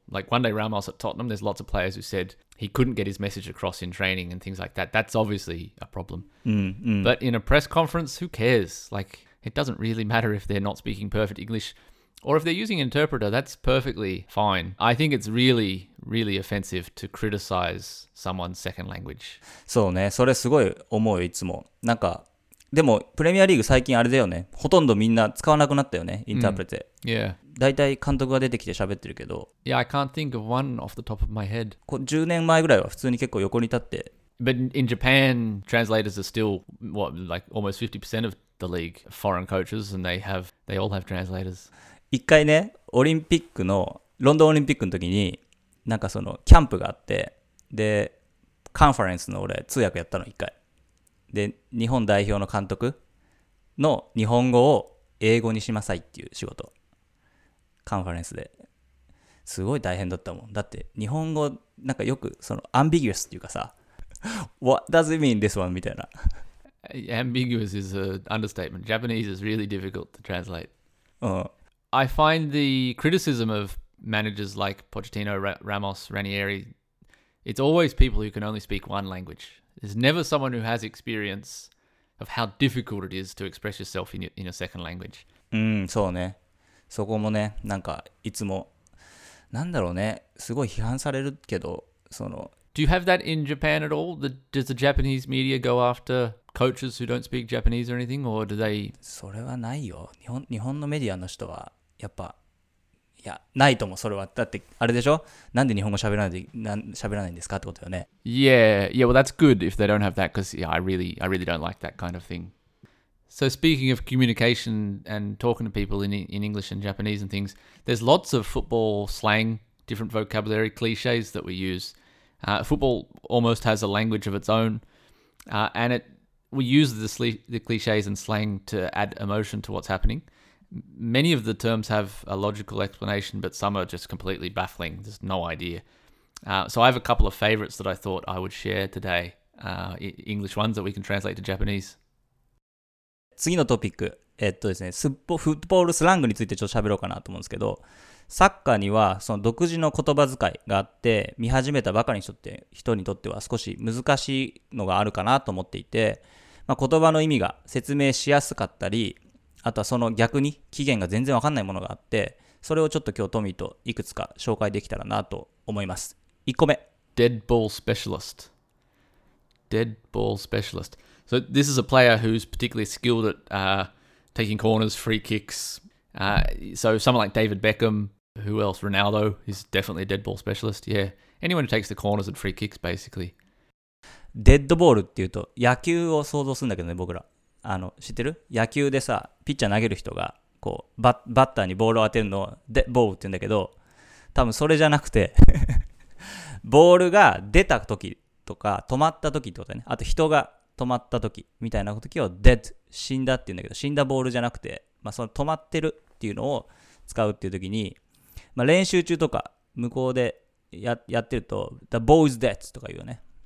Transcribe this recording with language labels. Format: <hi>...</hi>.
<en>Like one day Ramos at Tottenham, there's lots of players who said he couldn't get his message across in training and things like that. That's obviously a problem. Mm-hmm. But in a press conference, who cares? Like, it doesn't really matter if they're not speaking perfect English or if they're using an interpreter, that's perfectly fine. I think it's really, really offensive to criticize someone's second language.</en> <ja>そうね、それすごい思ういつも。なんか、でもプレミアリーグ最近あれだよね、ほとんどみんな使わなくなったよね、インタープレテ。いや、だいたい監督が出てきて喋ってるけど。</ja> <en>いや、I can't think of one off the top of my head。</en> <ja>10年前ぐらいは普通に結構横に立って。</ja> <en>But in Japan, translators are still what like almost 50% of the league foreign coaches, and they all have translators。</en> <ja>一回ね、オリンピックのロンドンオリンピックの時に、なんかそのキャンプがあって、でカンファレンスの俺通訳やったの一回。で日本代表の監督の日本語を英語にしなさいっていう仕事、カンファレンスですごい大変だったもん。だって日本語なんかよくそのアンビギュアスっていうかさ</ja> <en>What does it mean this one?</en> <ja>みたいな。</ja> <en>Ambiguous is an understatement. Japanese is really difficult to translate.</en> <ja>うん。</ja> <en>I find the criticism of managers like Pochettino, Ramos, Ranieri, it's always people who can only speak one language. There's never someone who has experience of how difficult it is to express yourself in a second language.</en> <ja>うん、そうね。そこもね、なんかいつも、なんだろうね、すごい批判されるけど、その。</ja> <en>Do you have that in Japan at all? Does the Japanese media go after coaches who don't speak Japanese or anything? Or do they...</en> <ja>それはないよ。日本のメディアの人は、やっぱ、いや、ないと思う、それは。だって、あれでしょ? なんで日本語喋らないんですかってことよね。</ja> <en>Yeah, well that's good if they don't have that, because yeah, I really don't like that kind of thing. So speaking of communication and talking to people in English and Japanese and things, there's lots of football slang, different vocabulary cliches that we use. Football almost has a language of its own, and we use the cliches and slang to add emotion to what's happening. Many of the terms have a logical explanation, but some are just completely baffling. There's no idea. So I have a couple of favorites that I thought I would share today. English ones that we can translate to Japanese.</en> <ja>次のトピック、ですね、フットボールスラングについてちょっと喋ろうかなと思うんですけど、サッカーにはその独自の言葉遣いがあって、見始めたばかりの人にとっては少し難しいのがあるかなと思っていて、まあ、言葉の意味が説明しやすかったり、あとはその逆に起源が全然わかんないものがあって、それをちょっと今日トミーといくつか紹介できたらなと思います。 1個目。</ja> <en>Dead ball specialist. Dead ball specialist. So this is a player who's particularly skilled at taking corners, free kicks. So someone like David Beckham, who else? Ronaldo is definitely a dead ball specialist. Yeah. Anyone who takes the corners and free kicks, basically.</en> <ja>Dead ball っていうと野球を想像するんだけどね、僕ら。あの、知ってる？野球でさ、ピッチャー投げる人がこうバッターにボールを当てるのをデッドボールって言うんだけど、多分それじゃなくてボールが出た時とか止まった時ってことだね。あと人が止まった時みたいな時をデッド、死んだって言うんだけど、死んだボールじゃなくて、まあ、その止まってるっていうのを使うっていう時に、まあ、練習中とか向こうで やってると</ja> <en>The ball is dead</en> <ja>とか言うよね。</ja>